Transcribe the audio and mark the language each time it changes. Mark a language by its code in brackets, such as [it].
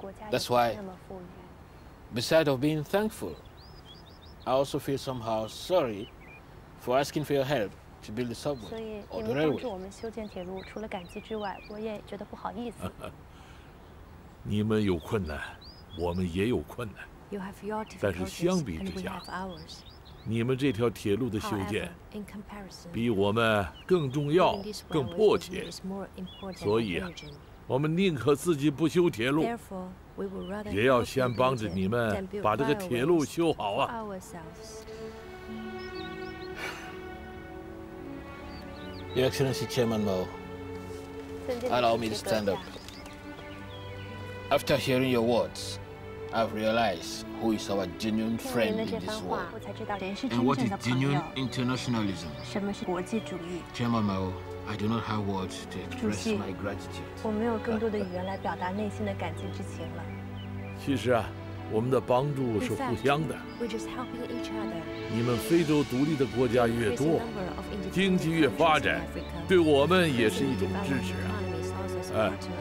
[en] That's why, besides of being thankful, I also feel somehow sorry for asking for your help to build the subway or the railway. [zh] 帮助我们修建铁路，除了感激之外，我也觉得不好意思。你们有困难，我们也有困难。 [en] You have your difficulties, [zh] 但是相比之下，你们这条铁路的修建比我们更重要、更迫切，所以啊。我们宁可自己不修铁路，也要先帮着你们把这个铁路修好啊！ [en] Your Excellency Chairman Mao, allow me to stand up. After hearing your words, I've realized who is our genuine friend in this world, and what is genuine internationalism. Chairman Mao. I do not have words to express my gratitude. [zh] 我没有更多的语言来表达内心的感激之情了。其实啊，我们的帮助是互相的。 [en] We're just helping each other. [zh] 你们非洲独立的国家越多，经济越发展，对我们也是一种支持啊。哎，